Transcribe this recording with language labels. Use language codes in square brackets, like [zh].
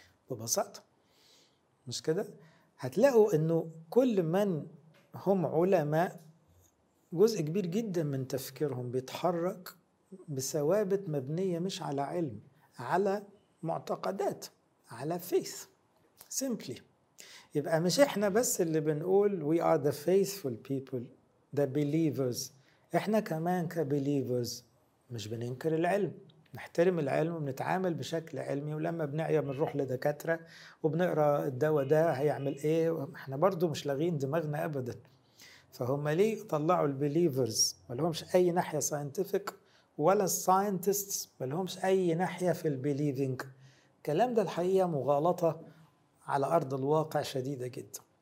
[ar] ببساطة مش كده؟ هتلاقوا انه كل من هم علماء جزء كبير جدا من تفكيرهم بيتحرك بثوابت مبنية مش على علم، على معتقدات، على faith simply. يبقى مش احنا بس اللي بنقول [en] we are the faithful people, the believers. [ar] احنا كمان كbelievers مش بننكر العلم، نحترم العلم ونتعامل بشكل علمي، ولما بنعيا بنروح لدكاترة وبنقرأ الدواء ده هيعمل ايه، احنا برضو مش لاغين دماغنا ابدا. فهم ليه طلعوا البيليفرز ملهمش اي ناحية ساينتفك، ولا الساينتستس ملهمش اي ناحية في البيليفينج؟ كلام ده الحقيقة مغالطة على ارض الواقع شديدة جدا.